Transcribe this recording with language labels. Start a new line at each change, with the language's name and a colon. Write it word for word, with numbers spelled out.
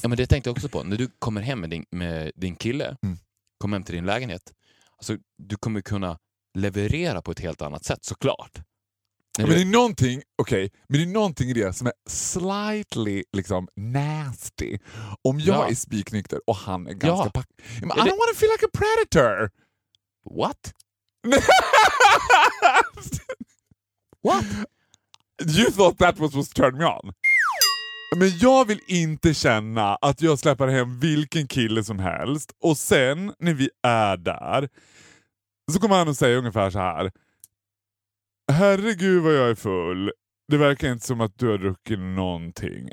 Swedish: Ja, men det tänkte jag också på. När du kommer hem med din, med din kille, mm. kommer hem till din lägenhet. Alltså, du kommer kunna leverera på ett helt annat sätt, såklart. Ja, men det är någonting, okej, okay, men det är någonting i det som är slightly liksom nasty. Om jag ja. är spiknykter och han är ganska ja.
English: pack. I don't want to feel like a predator. What? What? You thought that was what turned me on.
Swedish: Men jag vill inte känna att jag släpper hem vilken kille som helst. Och sen, när vi är där, så kommer han och säger ungefär så här. Herregud vad jag är full. Det verkar inte som att du har druckit någonting.